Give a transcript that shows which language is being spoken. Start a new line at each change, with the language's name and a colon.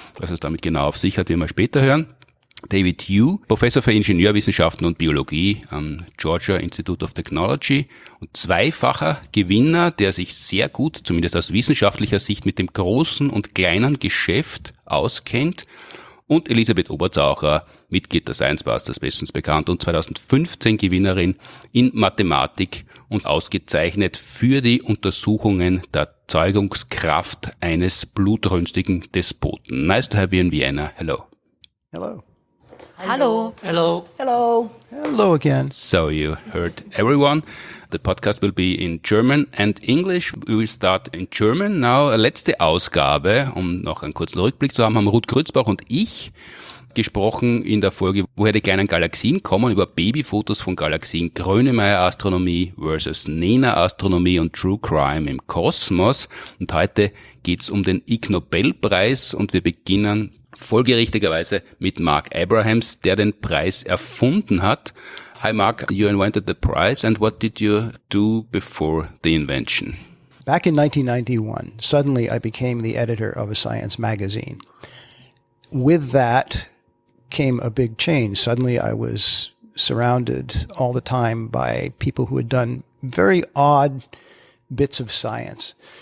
German: Was es damit genau auf sich hat, werden wir später hören. David Hugh, Professor für Ingenieurwissenschaften und Biologie am Georgia Institute of Technology und zweifacher Gewinner, der sich sehr gut, zumindest aus wissenschaftlicher Sicht, mit dem großen und kleinen Geschäft auskennt. Und Elisabeth Oberzaucher, Mitglied der Science Busters, bestens bekannt und 2015 Gewinnerin in Mathematik und ausgezeichnet für die Untersuchungen der Zeugungskraft eines blutrünstigen Despoten.
English: Nice to have you in Vienna. Hello. Hello. Hello. Hello. Hello. Hello again. So you heard everyone. The podcast will be in German and English. We will start in German now.
German: Letzte Ausgabe, um noch einen kurzen Rückblick zu haben, haben Ruth Grützbach und ich gesprochen in der Folge, woher die kleinen Galaxien kommen, über Babyfotos von Galaxien, Grönemeyer-Astronomie versus Nena-Astronomie und True Crime im Kosmos. Und heute geht's um den Ig Nobel-Preis und wir beginnen folgerichtigerweise mit Mark Abrahams, der den Preis erfunden hat.
English: Hi Mark, you invented the prize and what did you do before the invention? Back in 1991, suddenly I became the editor of a science magazine. With that came a big change. Suddenly I was surrounded all the time by people who had done very odd bits of science.